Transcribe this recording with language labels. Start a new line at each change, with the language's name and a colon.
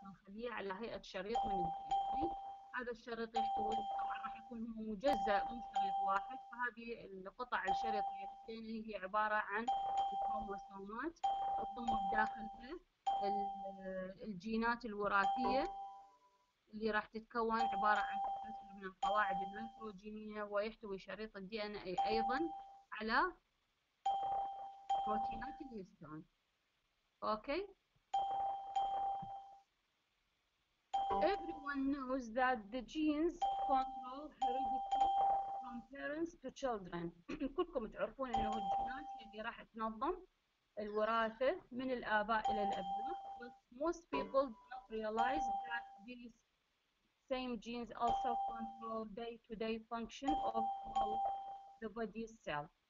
Arabic: هي على هيئة شريط من الدي ان اي. هذا الشريط يحتوي طبعا راح يكون هو مجزأ من شريط واحد، فهذه القطع الشريط من الدي ان اي هي عبارة عن الكروموسومات تضم داخلها الجينات الوراثية اللي راح تتكون، عبارة عن سلسلة من القواعد الهيتروجينية. ويحتوي شريط الدي ان اي أيضا على بروتينات الهيستون.
English: Okay, everyone knows that the genes control heredity from parents to children.
Arabic: كلكم تعرفون انه الجينات اللي راح تنظم الوراثه من الاباء الى الابناء.
English: But most people do not realize that these same genes also control day-to-day function of all the body's cells.